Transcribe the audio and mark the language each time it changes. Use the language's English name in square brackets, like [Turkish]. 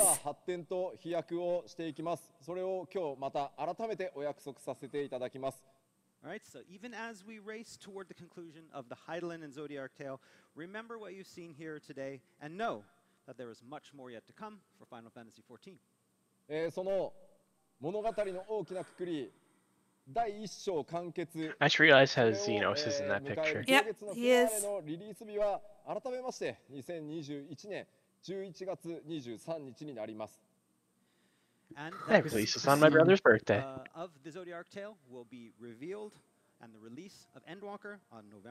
[English] All right, so even as we race toward the conclusion of the Heidelin and Zodiac tale, remember what you've seen here today and know that there is much more yet to come for Final Fantasy XIV. [Japanese] その物語の大きな括り、第一章完結。 [English] I just realized how Xenos is in that picture. Yep, he is. [Japanese] リリース日は改めまして2021年11月23日になります。 [English] And that releases on my brother's birthday. Of the Zodiac Tale will be revealed, and the release of Endwalker on